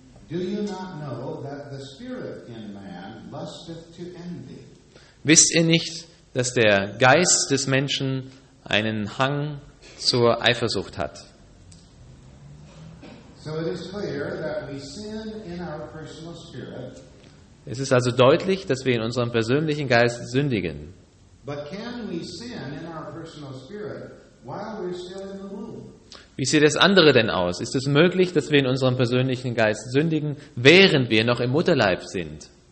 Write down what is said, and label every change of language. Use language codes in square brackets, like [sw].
[en] Do you not know that the spirit in man lusteth to envy? [de] Wisst ihr nicht, dass der Geist des Menschen einen Hang zur Eifersucht hat? [en] So it is clear that we sin in our personal spirit. [de] Es ist also deutlich, dass wir in unserem persönlichen Geist sündigen. Wie sieht das andere denn aus? Ist es möglich, dass wir in unserem persönlichen Geist sündigen, während wir noch im Mutterleib sind?